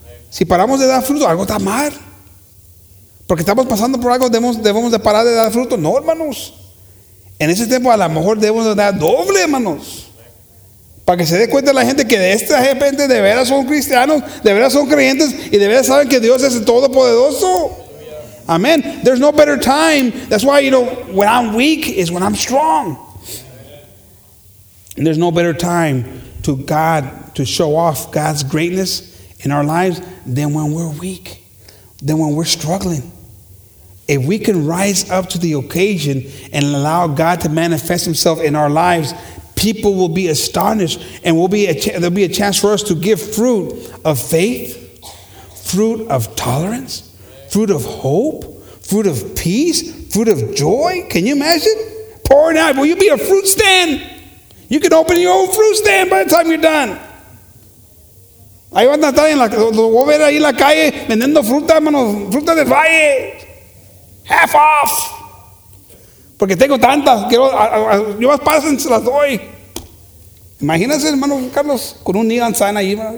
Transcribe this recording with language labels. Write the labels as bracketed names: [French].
[Spanish] Si paramos de dar fruto, algo está mal. Porque estamos pasando por algo, debemos de parar de dar fruto. No, hermanos. En ese tiempo a lo mejor debemos dar doble, hermanos. Para que se dé cuenta la gente que de esta gente de veras son cristianos, de veras son creyentes y de veras saben que Dios es el Todopoderoso. [English] Amén. There's no better time. That's why, you know, when I'm weak is when I'm strong. And there's no better time to God to show off God's greatness in our lives than when we're weak, than when we're struggling. If we can rise up to the occasion and allow God to manifest himself in our lives, people will be astonished and there'll be a chance for us to give fruit of faith, fruit of tolerance, fruit of hope, fruit of peace, fruit of joy. Can you imagine? Pouring out. Will you be a fruit stand? You can open your own fruit stand by the time you're done. [Spanish] Ahí van a estar en la ver ahí la calle vendiendo fruta, hermano, fruta del valle. [English] Half off. [Spanish] Porque tengo tantas. Yo más pasen, se las doy. Imagínense, hermano Carlos, con un [English] neon sign [Spanish] ahí.